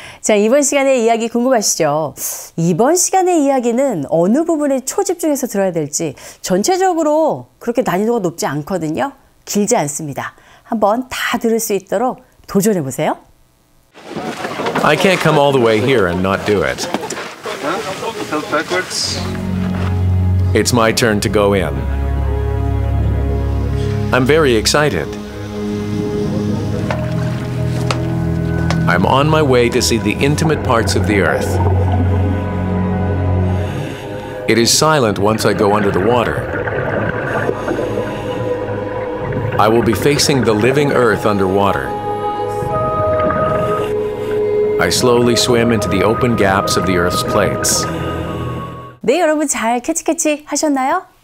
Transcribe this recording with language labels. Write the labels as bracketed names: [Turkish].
[Korean] 자, 이번 시간의 이야기 궁금하시죠? 이번 시간의 이야기는 어느 부분에 초집중해서 들어야 될지 전체적으로 그렇게 난이도가 높지 않거든요. 길지 않습니다. 한번 다 들을 수 있도록 도전해 보세요. [English] I can't come all the way here and not do it. Tilt backwards. It's my turn to go in. I'm very excited. I'm on my way to see the intimate parts of the earth. It is silent once I go under the water. I will be facing the living earth underwater. I slowly swim into the open gaps of the earth's plates. [Korean] 네, 여러분 잘 캐치 하셨나요?